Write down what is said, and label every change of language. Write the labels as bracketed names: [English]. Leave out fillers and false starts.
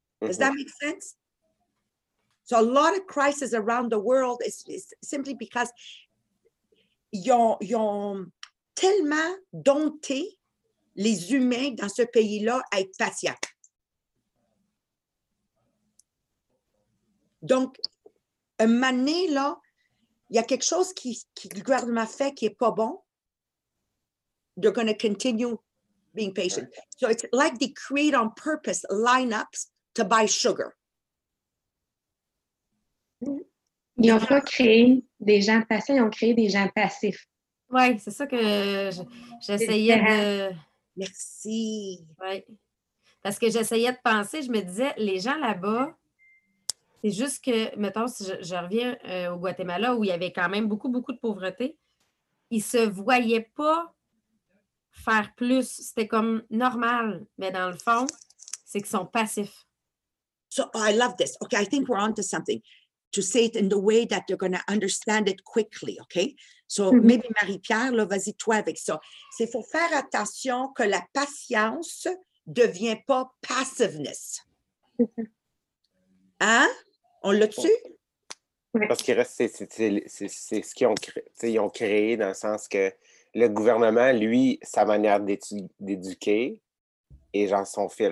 [English] Does that make sense? So a lot of crises around the world is simply because [French] ils ont tellement dompté les humains dans ce pays-là à être patients. Donc, un moment donné, là, il y a quelque chose qui le gouvernement fait qui n'est pas bon. [English] They're going to continue being patient. So it's like they create on purpose lineups to buy sugar. [French] Ils n'ont pas créé des gens patients, ils ont créé des gens passifs. Oui, c'est ça que j'essayais de... Merci. Oui, parce que j'essayais de penser, je me disais, les gens là-bas, c'est juste que, mettons, si je reviens au Guatemala, où il y avait quand même beaucoup, beaucoup de pauvreté, ils ne se voyaient pas faire plus. C'était comme normal, mais dans le fond, c'est qu'ils sont passifs. [English] So, I love this. Okay, I think we're on to something. To say it in the way that they're going to understand it quickly, okay? So maybe [French] Marie-Pierre, là, vas-y toi avec ça. C'est faut faire attention que la patience devient pas passiveness. Hein? On l'a tu? Parce qu'il reste, c'est ce qu'ils ont créé, dans le sens que le gouvernement, lui, sa manière d'éduquer et genre son fil.